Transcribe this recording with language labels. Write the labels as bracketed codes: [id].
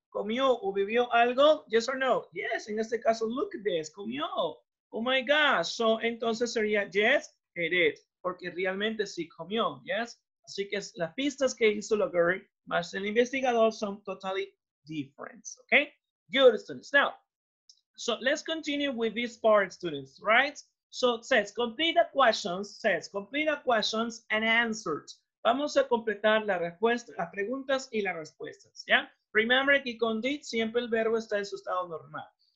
[es] ¿Comió o bebió algo? [en] Yes or no? Yes, [es] en este caso, [en] look at this, [es] comió. [en] Oh my gosh, so [es] entonces sería [en] yes, he did, [es] porque realmente sí comió, [en] yes. [es] Así que las pistas que hizo la girl más el investigador son [en] totally different, okay? Good, students. Now, so let's continue with this part, students, right? So it says, complete the questions and answers. [es] Vamos a completar la respuesta, las preguntas y las respuestas, ¿ya? [en] Yeah? [es] Remember que con did siempre el verbo está en su estado normal.